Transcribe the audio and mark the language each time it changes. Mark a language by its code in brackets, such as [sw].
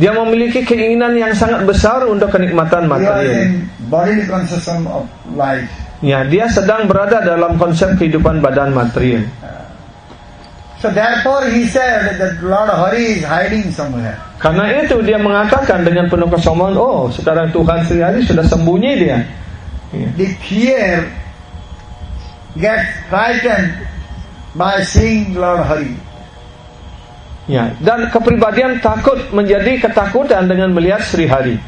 [id] Dia memiliki keinginan yang sangat besar untuk kenikmatan material. [en] He is in bodily conception of life. [id] Ya, dia sedang berada dalam konsep kehidupan badan material. [en] So therefore he said that Lord Hari is hiding somewhere. [id] Karena itu dia mengatakan dengan penuh kesombongan, oh sekarang Tuhan Sri Hari sudah sembunyi dia. [en] The fear gets frightened by seeing Lord Hari. [id] Ya, dan kepribadian takut menjadi ketakutan dengan melihat Sri Hari.